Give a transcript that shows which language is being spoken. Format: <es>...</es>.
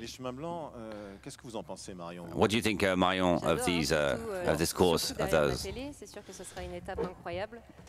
<fr>Les chemins blancs, qu'est-ce que vous en pensez, Marion?</fr> <en>What do you think, Marion, of these, of this course, of those?</en> <fr>La télé, c'est sûr que ce sera une étape incroyable.</fr>